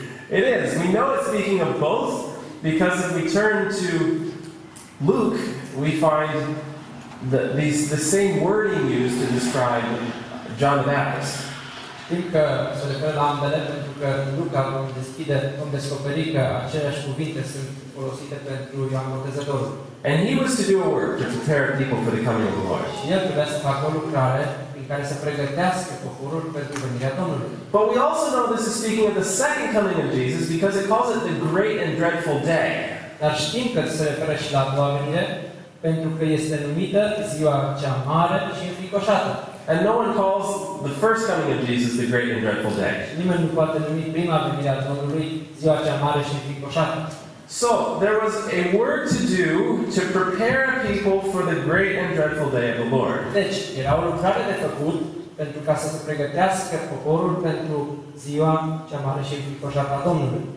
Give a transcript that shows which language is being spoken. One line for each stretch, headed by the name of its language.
English: It is. We know it's speaking of both because if we turn to Luke, we find the same wording used to describe John the Baptist.
Romanian: Știm că se referă la ambele, pentru că Luca vom descoperi că aceleași cuvinte sunt folosite pentru Ioan Botezătorul.
English: And he was to do a work to prepare people for the coming of the Lord.
Romanian: Și el trebuia să facă o lucrare prin care să pregătească poporul pentru venirea Domnului.
English: But we also know this is speaking of the second coming of Jesus because it calls it the great and dreadful day.
Romanian: Dar știm că se referă și la a doua venire pentru că este numită ziua cea mare și înfricoșată.
English: And no one calls the first coming of Jesus the great and dreadful day.
Romanian: Nimeni nu poate numi prima venire a Domnului ziua cea mare și înfricoșată.
English: So there was a work to do to prepare people for the great and dreadful day of the Lord.
Romanian: Deci, era o lucrare de făcut pentru ca să se pregătească poporul pentru ziua cea mare și înfricoșată a Domnului.